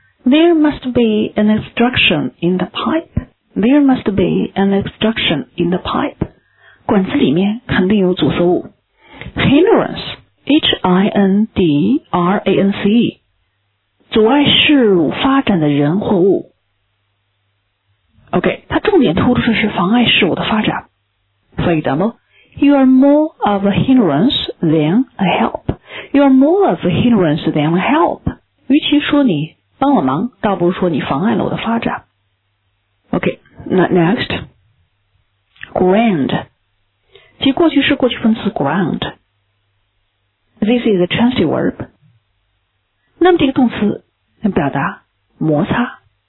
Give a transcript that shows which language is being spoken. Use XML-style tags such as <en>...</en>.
<en>There must be an obstruction in the pipe. There must be an obstruction in the pipe.</en> <zh>管子里面肯定有阻塞物。 Hindrance, H-I-N-D-R-A-N-C-E, 阻碍事物发展的人或物。 OK, 它重点突出的是妨碍事物的发展。</zh> <en>For example, you are more of a hindrance than a help. You are more of a hindrance than a help.</en> <zh>与其说你帮我忙，倒不如说你妨碍了我的发展。</zh> <en>OK, next. Ground.</en> <zh>即过去式过去分词 ground.</zh> <en>This is a transitive verb.</en> <zh>那么这个动词能表达摩擦。</zh>